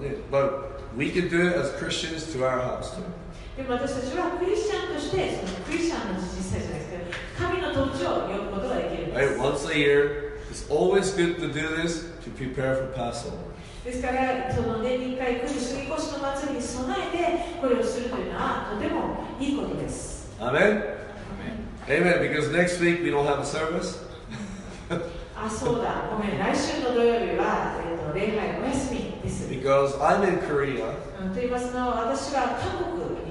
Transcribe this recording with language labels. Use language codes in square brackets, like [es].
[en] But we can do it as Christians to our house too. [ja] でも私たちはクリスチャンとしてそのクリスチャンの実際じゃないですけど神の統治を呼ぶことができるんです。 [en] Right, once a year, it's always good to do this to prepare for Passover. [ja] ですからその年に1回来る杉越の祭りに備えてこれをするというのはとてもいいことです。 [en] Amen. Amen. Amen. Because next week we don't have a service. [ja] あ、そうだ。ごめん。来週の土曜日は礼拝お休みです。 [en] Because I'm in Korea. [ja] と言いますのは私は韓国